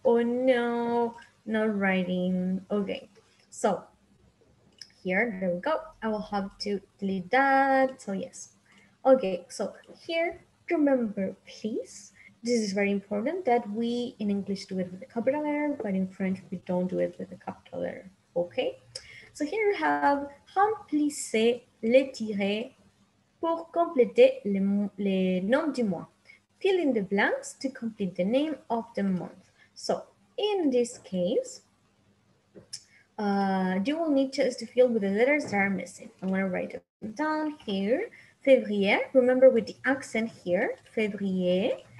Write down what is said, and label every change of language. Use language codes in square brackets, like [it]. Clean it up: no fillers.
[en] Oh no, not writing. Okay, so here, there we go. I will have to delete that, so yes. Okay, so here, remember, please, this is very important that we in English do it with a capital letter, but in French we don't do it with a capital letter, okay? So here we have [fr] remplissez les tirets pour compléter les noms du mois. [en] Fill in the blanks to complete the name of the month. So in this case, you will need just to fill with the letters that are missing. I'm going to write it down here. Février, remember with the accent here, février.